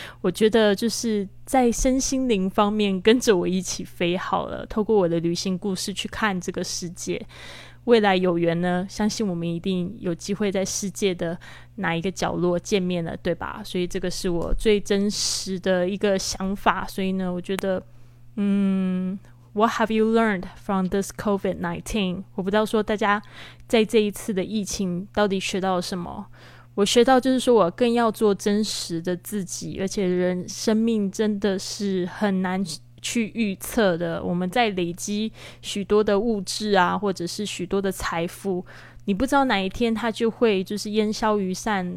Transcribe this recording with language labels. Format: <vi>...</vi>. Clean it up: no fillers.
<zh>我觉得就是在身心灵方面跟着我一起飞好了，透过我的旅行故事去看这个世界，未来有缘呢，相信我们一定有机会在世界的哪一个角落见面了，对吧？所以这个是我最真实的一个想法。所以呢，我觉得</zh> <en>What have you learned from this COVID-19?</en> <zh>我不知道说大家在这一次的疫情到底学到了什么。我学到就是说我更要做真实的自己，而且人生命真的是很难去预测的。我们在累积许多的物质啊，或者是许多的财富，你不知道哪一天它就会就是烟消云散。</zh>